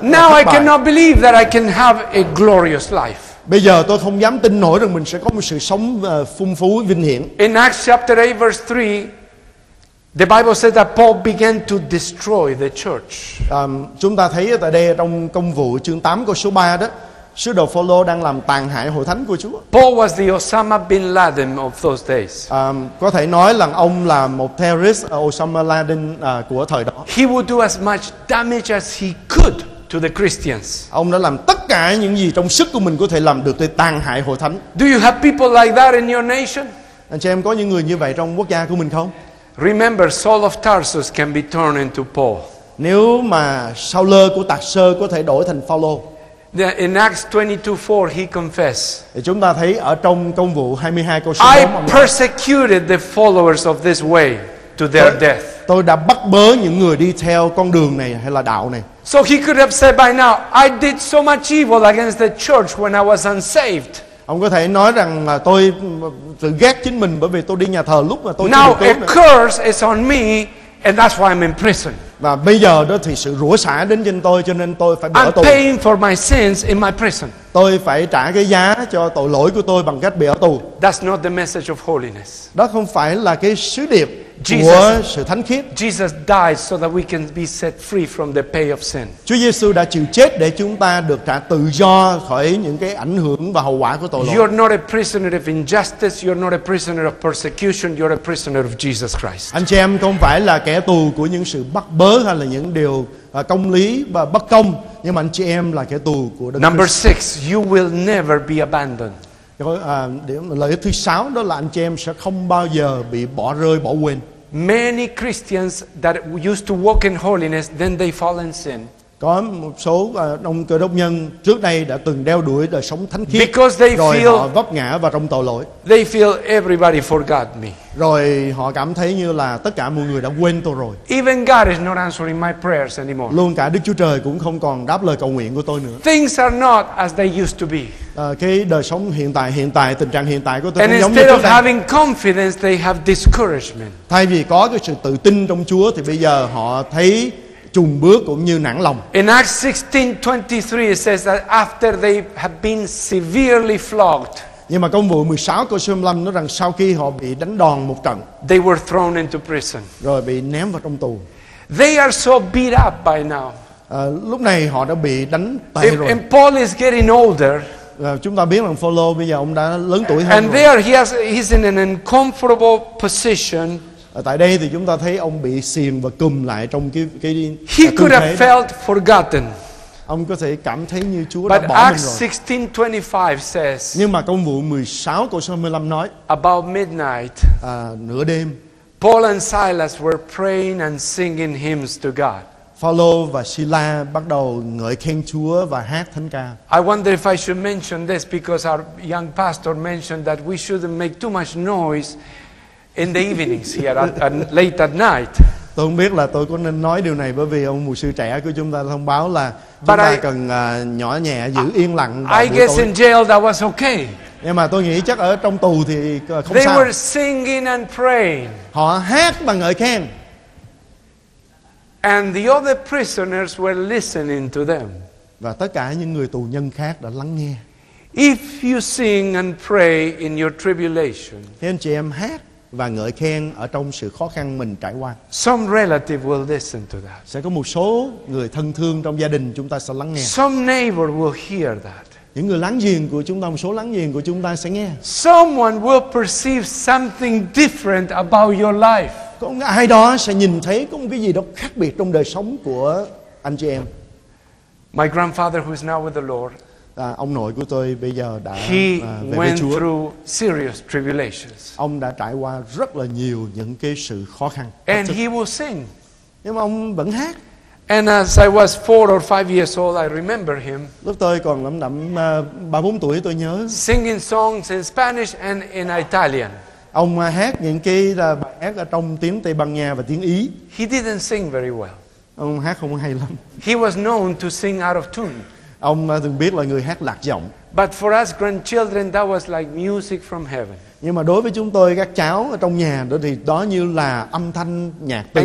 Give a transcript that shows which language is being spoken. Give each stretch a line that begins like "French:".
English: Now I cannot believe that I can have a glorious life.
Vietnamese: Bây giờ tôi không dám tin nổi rằng mình sẽ có một sự sống phung phú vinh hiển.
English: In Acts chapter 8 verse 3, the Bible says that Paul began to destroy the church.
Vietnamese: Chúng ta thấy tại đây trong công vụ chương 8 câu số 3 đó, sứ đồ Phaolô đang làm tàn hại hội thánh của Chúa.
English: Paul was the Osama bin Laden of those days.
Vietnamese: Có thể nói là ông là một terrorist Osama Laden của thời đó.
English: He would do as much damage as he could to the Christians.
Vietnamese: Ông đã làm tất cả những gì trong sức của mình có thể làm được để tàn hại hội thánh.
English: Do you have people like that in your nation?
Vietnamese: Anh chị em có những người như vậy trong quốc gia của mình không?
English: Remember, Saul of Tarsus can be turned into Paul.
Vietnamese: Nếu mà Saul của Tạc Sơ có thể đổi thành Phaolô.
English: In Acts 22:4, he confessed.
Vietnamese: Thì chúng ta thấy ở trong công vụ 22 câu số
English: 4. I persecuted the followers of this way to their death.
Vietnamese: Tôi đã bắt bớ những người đi theo con đường này hay là đạo này.
English: So he could have said by now, I did so much evil against the church when I was unsaved.
Vietnamese: Ông có thể nói rằng là tôi tự ghét chính mình bởi vì tôi đi nhà thờ lúc mà tôi
English: Now a curse is on me and that's why I'm in prison.
Vietnamese: Và bây giờ đó thì sự rủa xả đến trên tôi cho nên tôi phải bỏ tù.
English: I'm paying for my sins in my prison.
Vietnamese: Tôi phải trả cái giá cho tội lỗi của tôi bằng cách bị ở tù.
English: That's not the message of holiness.
Vietnamese: Đó không phải là cái sứ điệp của sự thánh khiết.
English: Jesus died so that we can be set free from the pay of sin.
Vietnamese: Chúa Giêsu đã chịu chết để chúng ta được trả tự do khỏi những cái ảnh hưởng và hậu quả của tội lỗi.
English: You're not a prisoner of injustice, you're not a prisoner of persecution, you're a prisoner of Jesus Christ.
Vietnamese: Anh chị em không phải là kẻ tù của những sự bắt bớ hay là những điều công lý và bất công, nhưng mà anh chị em là kẻ tù của Đấng
English: Number Christ. 6, you will never be abandoned.
Vietnamese: Lợi ích thứ 6 đó là anh chị em sẽ không bao giờ bị bỏ rơi, bỏ quên.
English: Many Christians that used to walk in holiness, then they fall in sin.
Vietnamese: Có một số đông cơ đốc nhân trước đây đã từng đeo đuổi đời sống thánh khiết.
English: Because they
Vietnamese: rồi
English: feel,
Vietnamese: họ vấp ngã vào trong tội lỗi.
English: They feel everybody forgot me.
Vietnamese: Rồi họ cảm thấy như là tất cả mọi người đã quên tôi rồi.
English: Even God is not answering my prayers anymore.
Vietnamese: Luôn cả Đức Chúa Trời cũng không còn đáp lời cầu nguyện của tôi nữa.
English: Things are not as they used to be.
Vietnamese: Cái đời sống hiện tại tình trạng hiện tại của tôi
English: And
Vietnamese: cũng giống như trước đây.
English: Instead of having confidence, they have discouragement.
Vietnamese: Thay vì có cái sự tự tin trong Chúa thì bây giờ họ thấy chùn bước cũng như nản lòng.
English: In Acts 16:23 it says that after they have been severely flogged.
Vietnamese: Nhưng mà công vụ 16 câu số 15 nói rằng sau khi họ bị đánh đòn một trận,
English: they were thrown into prison.
Vietnamese: Rồi bị ném vào trong tù.
English: They are so beat up by now.
Vietnamese: Lúc này họ đã bị đánh tè rồi.
English: And Paul is getting older.
Vietnamese: Chúng ta biết rằng Phaolô bây giờ ông đã lớn tuổi hơn.
English: And there he's in an uncomfortable position.
Vietnamese: Tại đây thì chúng ta thấy ông bị xiềng và cùm lại trong cái
English: He could have felt forgotten.
Vietnamese: Ông có thể cảm thấy như Chúa
English: But
Vietnamese: đã bỏ
English: Acts
Vietnamese: mình rồi.
English: Says,
Vietnamese: Nhưng mà công vụ 16 câu số 15 nói
English: About midnight,
Vietnamese: nửa đêm
English: Paul and Silas were praying and singing hymns to God.
Vietnamese: Phaolô và Sila bắt đầu ngợi khen Chúa và hát thánh ca.
English: I wonder if I should mention this because our young pastor mentioned that we shouldn't make too much noise in the evenings here at late at night.
Vietnamese: Tôi không biết là tôi có nên nói điều này bởi vì ông mục sư trẻ của chúng ta thông báo là chúng ta cần nhỏ nhẹ giữ yên lặng.
English: I guess in jail that was okay.
Vietnamese: Nhưng mà tôi nghĩ chắc ở trong tù thì không sao.
English: They were singing and praying.
Vietnamese: Họ hát và ngợi khen.
English: And the other prisoners were listening to them.
Vietnamese: Và tất cả những người tù nhân khác đã lắng nghe.
English: If you sing and pray in your tribulation.
Vietnamese: Thì anh chị em hát và ngợi khen ở trong sự khó khăn mình trải qua.
English: Some relative will listen to that.
Vietnamese: Sẽ có một số người thân thương trong gia đình chúng ta sẽ lắng nghe.
English: Some neighbor will hear that.
Vietnamese: Những người láng giềng của chúng ta, một số láng giềng của chúng ta sẽ nghe.
English: Someone will perceive something different about your life.
Vietnamese: Có ai đó sẽ nhìn thấy có một cái gì đó khác biệt trong đời sống của anh chị em.
English: My grandfather who is now with the Lord.
Vietnamese: Ông nội của tôi bây giờ đã về với Chúa.
English: Through serious tribulations.
Vietnamese: Ông đã trải qua rất là nhiều những cái sự khó khăn.
English: And he will sing.
Vietnamese: Nhưng mà ông vẫn hát.
English: And as I was 4 or 5 years old, I remember him.
Vietnamese: Lúc tôi còn lẩm nhẩm 3-4 tuổi tôi nhớ.
English: Singing songs in Spanish and in Italian.
Vietnamese: Ông hát những cái là bài hát ở trong tiếng Tây Ban Nha và tiếng Ý.
English: He didn't sing very well.
Vietnamese: Ông hát không hay lắm.
English: He was known to sing out of tune.
Vietnamese: Ông từng biết là người hát lạc giọng.
English: But for us grandchildren, that was like music from heaven.
Vietnamese: Nhưng mà đối với chúng tôi các cháu ở trong nhà đó thì đó như là âm thanh nhạc từ